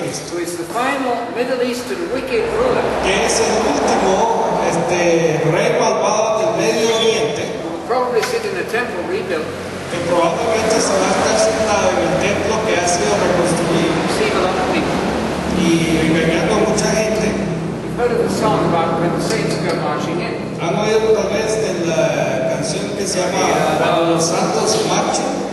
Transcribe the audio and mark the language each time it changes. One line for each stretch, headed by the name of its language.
English: Who is the final Middle Eastern wicked ruler?
Spanish: Que es el último rey malvado del Medio Oriente.
English: Who will probably sit in the temple rebuilt?
Spanish: Que probablemente se va a estar sentado en el templo que ha sido reconstruido.
English: Deceiving a lot of people.
Spanish: Y engañando a mucha gente.
English: You've heard of the song about when the saints go marching in.
Spanish: ¿Han oído tal vez de la canción que se llama Cuando los Santos Marchan?